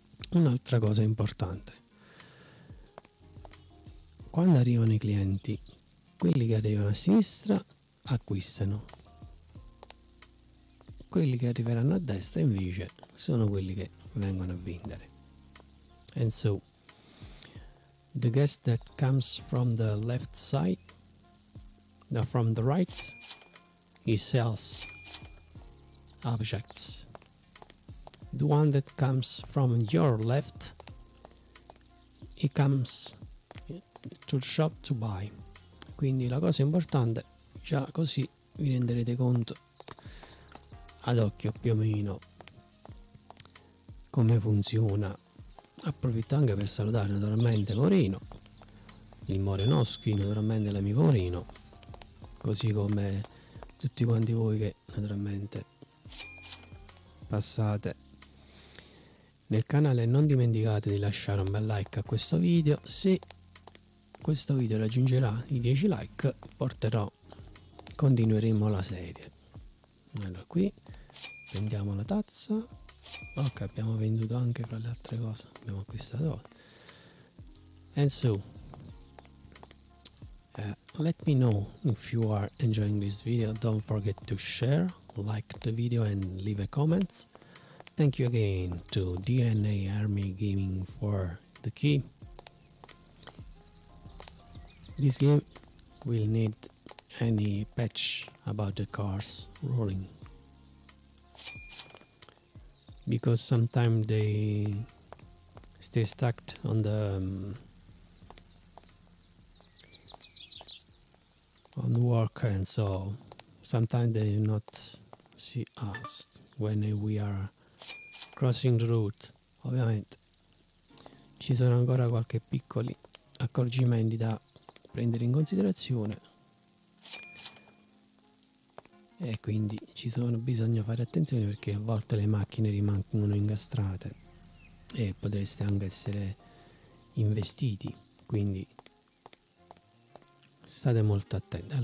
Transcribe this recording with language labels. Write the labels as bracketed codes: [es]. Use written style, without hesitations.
[it] Un'altra cosa importante: quando arrivano i clienti, quelli che arrivano a sinistra acquistano, quelli che arriveranno a destra invece sono quelli che vengono a vendere. [en] And so the guest that comes from the left side, now from the right, he sells objects. The one that comes from your left, he comes to the shop to buy. [it] Quindi la cosa importante, già così vi renderete conto ad occhio più o meno come funziona. Approfitto anche per salutare naturalmente Moreno, il Morenoschi, naturalmente l'amico Moreno, così come tutti quanti voi che naturalmente passate nel canale. Non dimenticate di lasciare un bel like a questo video. Se questo video raggiungerà i 10 like, continueremo la serie. Allora, qui prendiamo la tazza. Ok, abbiamo venduto anche, fra le altre cose, abbiamo acquistato. [en] And so, let me know if you are enjoying this video. Don't forget to share, like the video and leave a comment. Thank you again to DNA Army Gaming for the key. This game will need any patch about the cars rolling, because sometimes they stay stuck on the on work, and so sometimes they not see us when we are crossing the road. [it] Ovviamente ci sono ancora qualche piccoli accorgimenti da prendere in considerazione, e quindi ci sono bisogna fare attenzione, perché a volte le macchine rimangono incastrate e potreste anche essere investiti, quindi state molto attenti.